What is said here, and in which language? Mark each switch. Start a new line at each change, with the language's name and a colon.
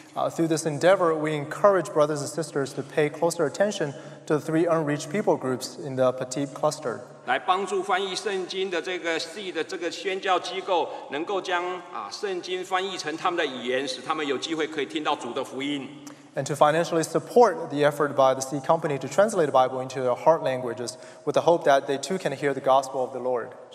English: Through this endeavor, we encourage brothers and sisters to pay closer attention to the three unreached people groups in the Patik cluster.
Chinese: 来帮助翻译圣经的这个系的这个宣教机构能够将圣经翻译成他们的语言使他们有机会可以听到主的福音。
English: And to financially support the effort by the Sea Company to translate the Bible into their heart languages with the hope that they too can hear the gospel of the Lord.